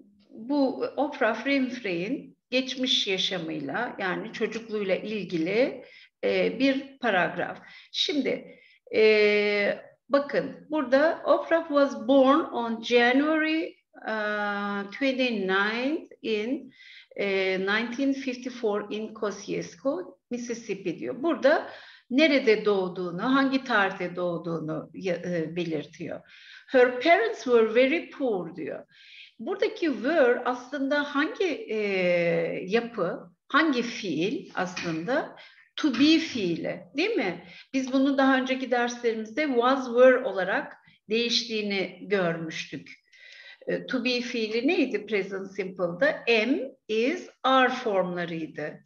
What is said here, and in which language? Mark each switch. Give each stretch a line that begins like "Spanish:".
Turkish: Bu Oprah Winfrey'in geçmiş yaşamıyla, yani çocukluğuyla ilgili bir paragraf. Şimdi bakın, burada
English: Oprah was born on January 29 in 1954 in Kosciuszko, Mississippi
Turkish: diyor. Burada nerede doğduğunu, hangi tarihte doğduğunu belirtiyor.
English: Her parents were very poor
Turkish: diyor. Buradaki were aslında hangi yapı, hangi fiil aslında? To be fiili, değil mi? Biz bunu daha önceki derslerimizde was, were olarak değiştiğini görmüştük. To be fiili neydi present simple'da? Am, is, are formlarıydı.